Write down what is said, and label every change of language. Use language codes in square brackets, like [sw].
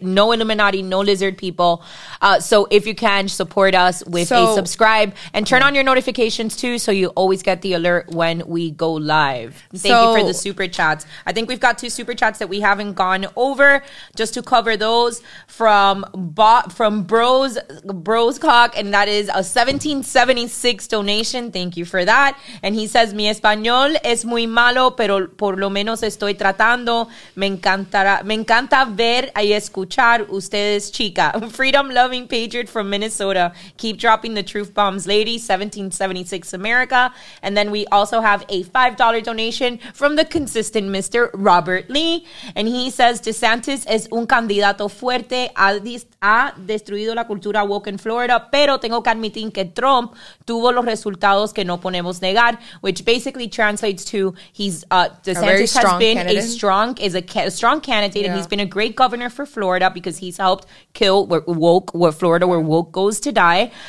[en] No Illuminati, no lizard people. So if you can, support us with a subscribe and turn on your notifications too so you always get the alert when we go live. Thank you for the super chats. I think we've got 2 super chats that we haven't gone over. Just to cover those from Bros TikTok, and that is a 1776 donation. Thank you for that. And he says, [es] mi español es muy malo, pero por lo menos estoy tratando. Me encanta ver y escuchar ustedes, chica. [en] Freedom loving patriot from Minnesota. Keep dropping the truth bombs, lady. 1776 America. And then we also have a $5 donation from the consistent Mr. Robert Lee. And he says, [es] DeSantis es un candidato fuerte. Ha destruido la cultura woke en Florida, pero tengo que admitir que Trump tuvo los resultados que no podemos negar, [en] which basically translates to DeSantis has been a strong candidate, yeah. And he's been a great governor for Florida because he's helped kill where Florida goes to die.